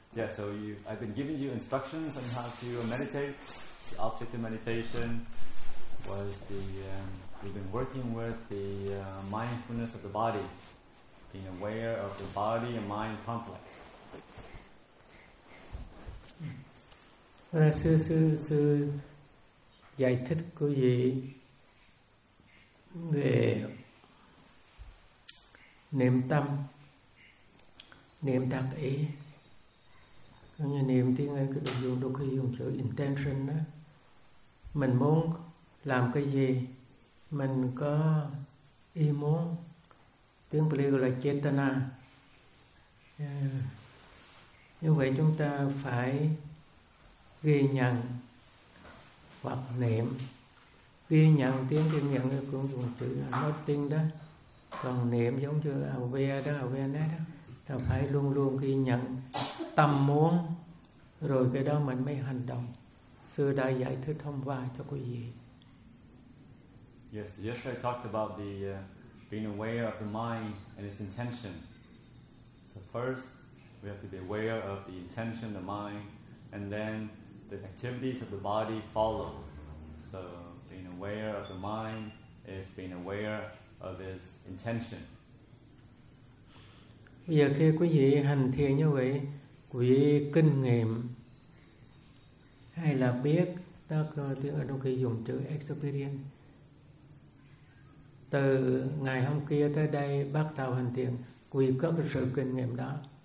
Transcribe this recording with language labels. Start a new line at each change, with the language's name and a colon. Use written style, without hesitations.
English: Yeah, so I've been giving you instructions on how to meditate. The object of meditation was the we've been working with the mindfulness of the body, being aware of the body and mind complex.
Vietnamese: Sư giải thích của gì về niệm tâm, niệm đặc ý. Cũng như niệm tiếng Anh cái đôi khi dùng chữ intention đó. Mình muốn làm cái gì, mình có ý muốn, tiếng Pali gọi là chetana. Như vậy chúng ta phải ghi nhận hoặc niệm. Ghi nhận, tiếng ghi nhận cũng dùng chữ noting đó. Còn niệm giống như awareness đó, phải luôn luôn ghi nhận tâm muốn, rồi cái đó mình mới hành động. Sư đã giải thích hôm qua cho quý vị.
English: Yes, yesterday I talked about the being aware of the mind and its intention. So first, we have to be aware of the intention, the mind, and then the activities of the body follow. So being aware of the mind is being aware of his intention.
Vietnamese: Bây giờ khi quý vị hành thiền như vậy, quý vị kinh nghiệm hay là biết, đó là tiếng Anh đôi khi dùng chữ experience. Từ ngày hôm kia tới đây bắt đầu hành thiền, quý vị có cái sự kinh nghiệm đó.